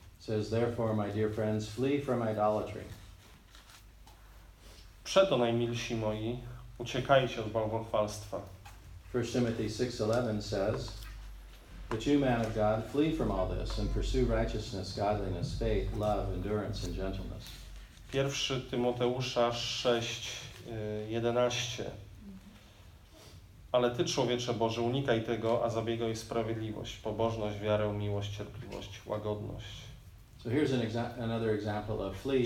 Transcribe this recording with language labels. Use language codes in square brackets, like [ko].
[en] Says, therefore, my dear friends, flee from idolatry. [pl] Przeto najmilsi moi, uciekajcie od bałwochwalstwa. [en] 1 Timothy 6:11 says, but you, man of God, flee from all this and pursue righteousness, godliness, faith, love, endurance, and gentleness. [pl] 1 Tymoteusza 6:11. Ale Ty, człowiecze Boże, unikaj tego, a zabiegaj sprawiedliwość, pobożność, wiarę, miłość, cierpliwość, łagodność. [en] So here's an another example of fleeing